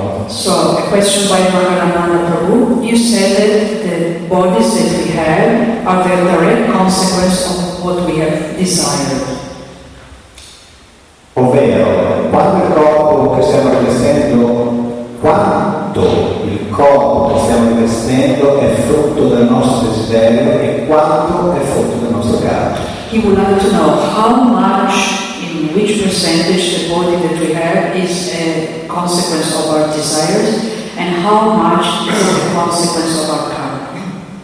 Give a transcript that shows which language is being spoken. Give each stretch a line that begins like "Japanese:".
English: So a question by Maharananda Prabhu, you said that the bodies that we have are the direct consequence of what we have desired.
Italian: Ovvero, quando il corpo che stiamo rivestendo, quanto il corpo che stiamo rivestendo è frutto del nostro desiderio e quanto è frutto del nostro karma.
English: He would like to know how much, in which percentage, the body that we have is a consequence of our desires, and how much is the consequence of our karma.